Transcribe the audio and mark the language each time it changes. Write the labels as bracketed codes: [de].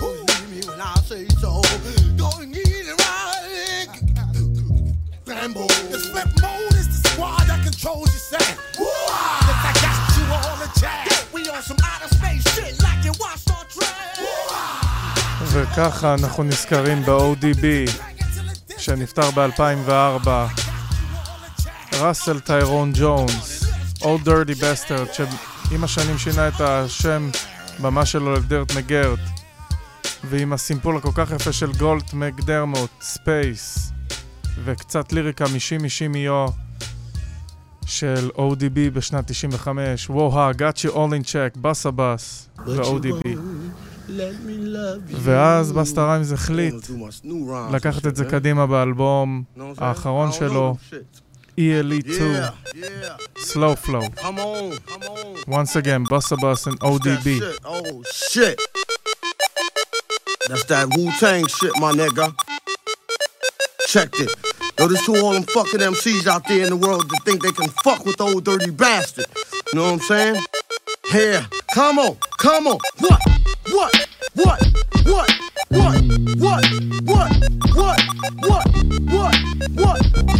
[en] Oh, you hear me when I say so. Going in and riding, Rambo. The flip mode is the squad that controls your set. Woo-ah! Since I got you all in check. We on some outer space shit like you watched our track. [he] וככה אנחנו נזכרים ב-ODB שנפטר ב-2004, ראסל טיירון ג'ונס, Old Dirty Bastard, שעם השנים שינה את השם במה שלו לדירט מגרט, ועם הסימפול הכל כך יפה של גולט מקדרמוט, ספייס, וקצת ליריקה מישי מישי מיו של ODB בשנת 95, וואה, [en] got you all in check, [he] בסה בס, ו-ODB. ואז בסטה ריימס החליט לקחת את זה קדימה באלבום האחרון שלו, ELE 2, Slow Flow. [en] Once again, Busta Bus and ODB. Oh shit, that's that Wu-Tang shit, my nigga. Checked it. Yo, this to all them fucking MCs out there in the world that think they can fuck with the old dirty bastard. You know what I'm saying? Here, come on, come on. What? What? What? What? What? What? What? What? What? What? What?